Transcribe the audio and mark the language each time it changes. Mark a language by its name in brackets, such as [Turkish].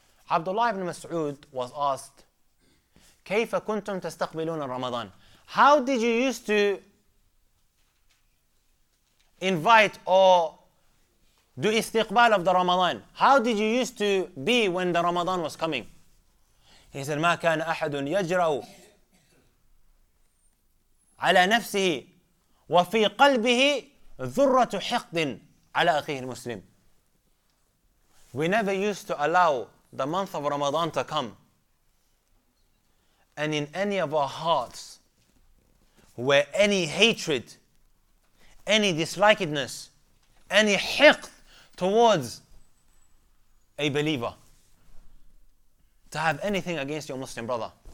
[English] Abdullah ibn Mas'ud was asked, [Arabic] كَيْفَ كُنْتُمْ تَسْتَقْبِلُونَ [English] Ramadan? How did you used to invite or do istiqbal of the Ramadan? How did you used to be when the Ramadan was coming? He said, [Arabic] مَا كَانَ أَحَدٌ يَجْرَأُ عَلَى نَفْسِهِ وَفِي قَلْبِهِ ذُرَّةُ حِقْدٍ عَلَى أَخِيهِ الْمُسْلِمِ. [English] We never used to allow the month of Ramadan to come. And in any of our hearts, where any hatred, any dislikedness, any hiqd towards a believer, to have anything against your Muslim brother.